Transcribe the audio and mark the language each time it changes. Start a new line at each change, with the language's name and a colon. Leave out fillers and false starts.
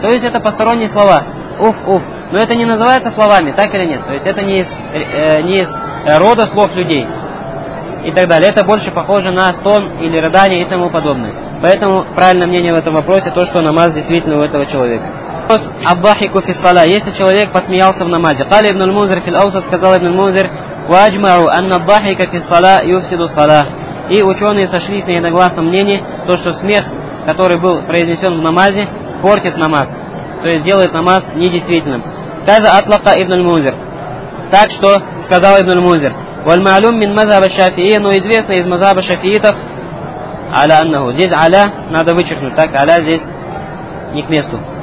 Russian: То есть это посторонние слова. Уф, уф. Но это не называется словами, так или нет? То есть это не из рода слов людей. И так далее. Это больше похоже на стон или рыдание и тому подобное. Поэтому правильное мнение в этом вопросе то, что намаз действительно у этого человека. Вопрос аббахику фиссала.
Arabic: Если человек посмеялся в намазе, قال ابن المنذر في الأوسط, сказал ابن المنذر, واجمعوا أن الضحك في الصلاة يفسد الصلاة.
Russian: И ученые сошлись на единогласном мнении то, что смех, который был произнесен в намазе, портит намаз, то есть делает намаз недействительным.
Arabic: كذا أطلق ابن المنذر.
Russian: Так что сказал ابن المنذر. والمعلوم من مذهب الشافعي, но известно из мазхаба шафиитов, аля аннаху, здесь аля надо вычеркнуть, так аля здесь не к месту.